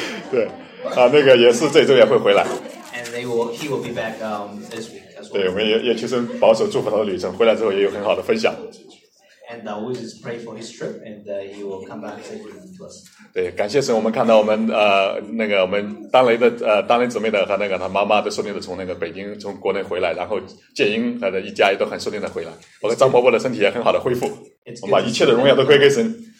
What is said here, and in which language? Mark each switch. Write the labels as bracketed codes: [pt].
[zh] 对，那个也是这周也会回来。 [en] And he will be back this week as well. [zh] 对，我们也求神保守祝福他的旅程，回来之后也有很好的分享。 [en] And we just pray for his trip, and he will come back safely to us. [zh] 对，感谢神，我们看到我们那个我们丹雷的姊妹的和那个他妈妈的顺利的从那个北京从国内回来，然后建英他的一家也都很顺利的回来，包括张伯伯的身体也很好的恢复，我们把一切的荣耀都归给神。